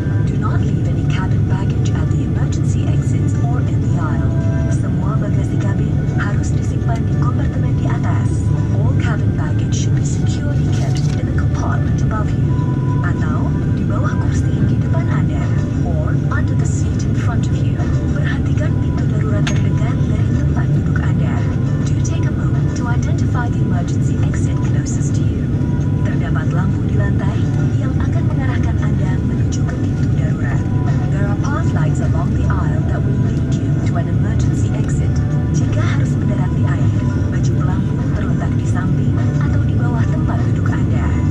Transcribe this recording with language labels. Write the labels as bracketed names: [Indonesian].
[English] Do not leave any cabin baggage at the emergency exits or in the aisle. [Indonesian] Semua bagasi kabin harus disimpan di kompartemen di atas. [English] All cabin baggage should be securely kept in the compartment above you. [Indonesian] Atau di bawah kursi di depan Anda. Or under the seat in front of you. Perhatikan pintu darurat terdekat dari tempat duduk Anda. [English] Do take a moment to identify the emergency exit closest to you. [Indonesian] Terdapat lampu di lantai yang akan mengarahkan Anda menuju ke pintu darurat. [English] There are path lights along the aisle that will lead you to an emergency exit. [Indonesian] Jika harus mendarat di air, baju pelampu terletak di samping atau di bawah tempat duduk Anda.